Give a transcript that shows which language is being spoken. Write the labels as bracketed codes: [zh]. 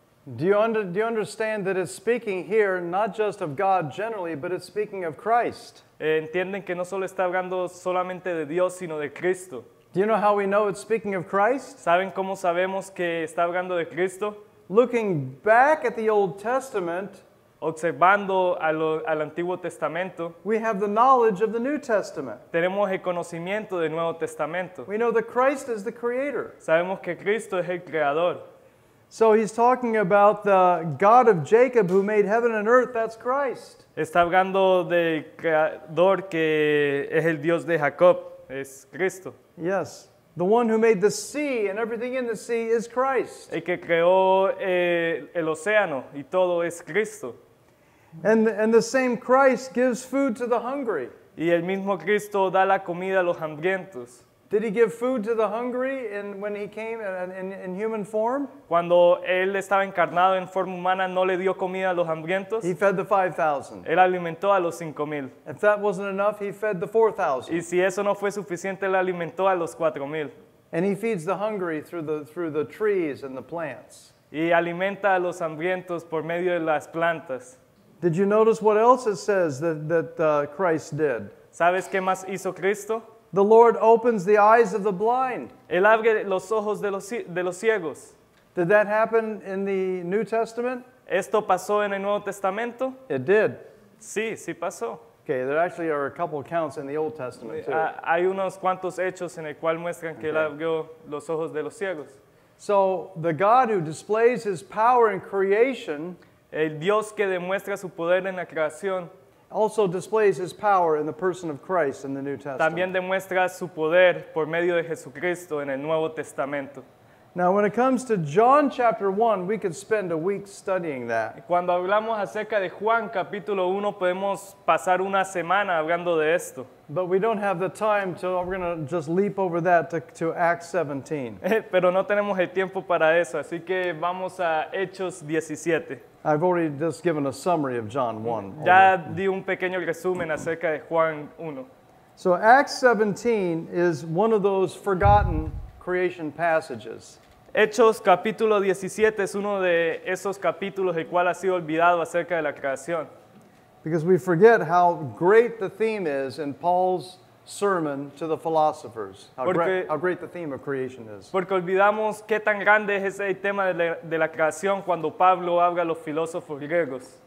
[en] Do you understand that it's speaking here not just of God generally, but it's speaking of Christ? [es] ¿Entienden que no solo está hablando solamente de Dios, sino de Cristo? [en] Do you know how we know it's speaking of Christ? [es] ¿Saben cómo sabemos que está hablando de Cristo? [en] Looking back at the Old Testament, [es] observando al Antiguo Testamento, [en] we have the knowledge of the New Testament. [es] Tenemos el conocimiento del Nuevo Testamento. [en] We know that Christ is the Creator. [es] Sabemos que Cristo es el Creador. [en] So he's talking about the God of Jacob who made heaven and earth, that's Christ. [es] Está hablando del Creador que es el Dios de Jacob, es Cristo. [en] Yes, the one who made the sea and everything in the sea is Christ. [es] El que creó el océano y todo es Cristo. [en] And the same Christ gives food to the hungry. [es] Y el mismo Cristo da la comida a los hambrientos. [en] Did he give food to the hungry when he came in human form? [es] Cuando él estaba encarnado en forma humana, ¿no le dio comida a los hambrientos? [en] He fed the 5,000. [es] Él alimentó a los 5,000. [en] If that wasn't enough, he fed the 4,000. [es] Y si eso no fue suficiente, él alimentó a los 4,000. [en] And he feeds the hungry through the trees and the plants. [es] Y alimenta a los hambrientos por medio de las plantas. [en] Did you notice what else it says that Christ did? [es] ¿Sabes qué más hizo Cristo? [en] The Lord opens the eyes of the blind. [es] Él abre los ojos de los ciegos. [en] Did that happen in the New Testament? [es] ¿Esto pasó en el Nuevo Testamento? [en] It did. [es] Sí, sí pasó. [en] Okay, there actually are a couple accounts in the Old Testament too. [es] Hay unos cuantos hechos en el cual muestran que okay. él abrió los ojos de los ciegos. [en] So, the God who displays his power in creation, [es] el Dios que demuestra su poder en la creación, [en] also displays his power in the person of Christ in the New Testament. [es] También demuestra su poder por medio de Jesucristo en el Nuevo Testamento. [en] Now, when it comes to John chapter 1, we could spend a week studying that. [es] Cuando hablamos acerca de Juan capítulo 1, podemos pasar una semana hablando de esto. [en] But we don't have the time, so we're going to just leap over that to Acts 17. [es] Pero no tenemos el tiempo para eso, así que vamos a Hechos 17. [en] I've already just given a summary of John 1. [es] Ya di un pequeño resumen acerca de Juan 1. [en] So Acts 17 is one of those forgotten creation passages. [es] Hechos capítulo 17 es uno de esos capítulos el cual ha sido olvidado acerca de la creación. [en] Because we forget how great the theme is in Paul's sermon to the philosophers. How great the theme of creation is. [es] Porque olvidamos qué tan grande es ese tema de la creación cuando Pablo habla a los filósofos griegos.